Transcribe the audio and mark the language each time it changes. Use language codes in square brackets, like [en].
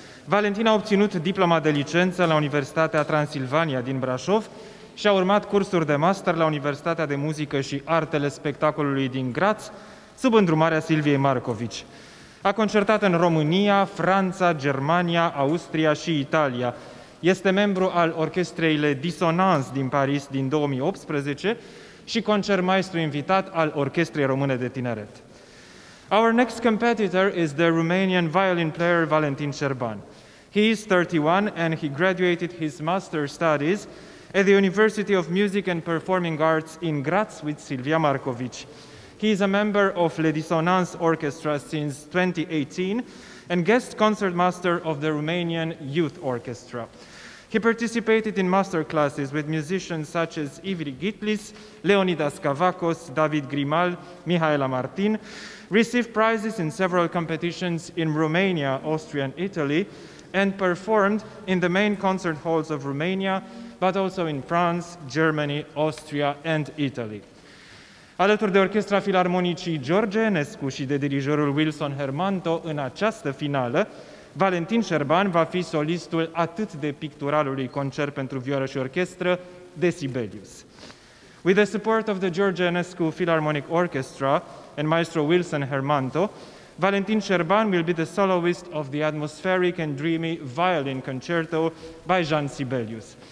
[ro] Valentin a obținut diploma de licență la Universitatea Transilvania din Brașov și a urmat cursuri de master la Universitatea de Muzică și Artele Spectacolului din Graz, sub îndrumarea Silviei Marcovici. A concertat în România, Franța, Germania, Austria și Italia. Este membru al orchestrei Le Dissonance din Paris din 2018 și concertmaestru invitat al Orchestrei Române de Tineret. [en] Our next competitor is the Romanian violin player Valentin Serban. He is 31 and he graduated his master's studies at the University of Music and Performing Arts in Graz with Silvia Marcovici. He is a member of Le Dissonance Orchestra since 2018 and guest concertmaster of the Romanian Youth Orchestra. He participated in master classes with musicians such as Ivri Gitlis, Leonidas Kavakos, David Grimal, Mihaela Martin, received prizes in several competitions in Romania, Austria and Italy, and performed in the main concert halls of Romania, but also in France, Germany, Austria and Italy. [ro] Alături de Orchestra Filarmonicii George Enescu și de dirijorul Wilson Hermanto în această finală, Valentin Serban va fi solistul atât de picturalului concert pentru vioară și orchestră de Sibelius. [en] With the support of the George Enescu Philharmonic Orchestra and Maestro Wilson Hermanto, Valentin Serban will be the soloist of the atmospheric and dreamy Violin Concerto by Jean Sibelius.